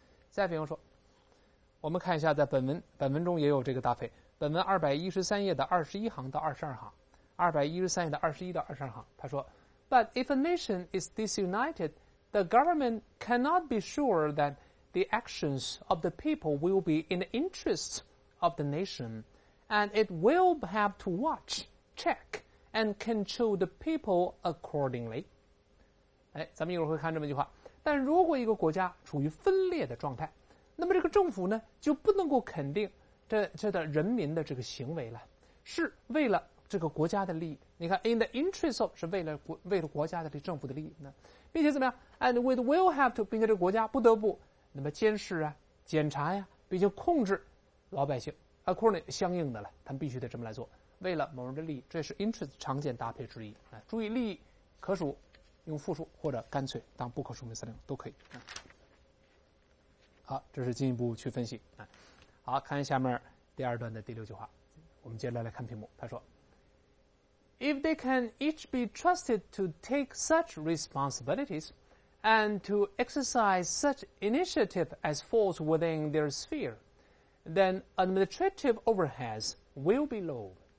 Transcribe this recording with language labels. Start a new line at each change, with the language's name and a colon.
Chinese: 再比方说我们看一下，在本文中也有这个搭配，本文213页的21行到22行，213页的21到22行，他说
English: But if a nation is disunitedThe government cannot be sure that the actions of the people will be in the interests of the nation, and it will have to watch, check, and control the people accordingly.
Chinese: 哎，咱们一会儿会看这么一句话。但如果一个国家处于分裂的状态，那么这个政府呢，就不能够肯定这的人民的这个行为了，是为了这个国家的利益。你看 in the interest of 是为了国家的这政府的利益呢，并且怎么样
English: and we will have to，
Chinese: 并且这个国家不得不那么监视啊检查呀、啊、并且控制老百姓 according 相应的了，他们必须得这么来做，为了某人的利益，这是 interest 常见搭配之一。注意利益可数用复数或者干脆当不可数名词来用都可以。好，这是进一步去分析。好，看下面第二段的第六句话，我们接下来看屏幕。他说
English: If they can each be trusted to take such responsibilities and to exercise such initiative as falls within their sphere, then administrative overheads will be low.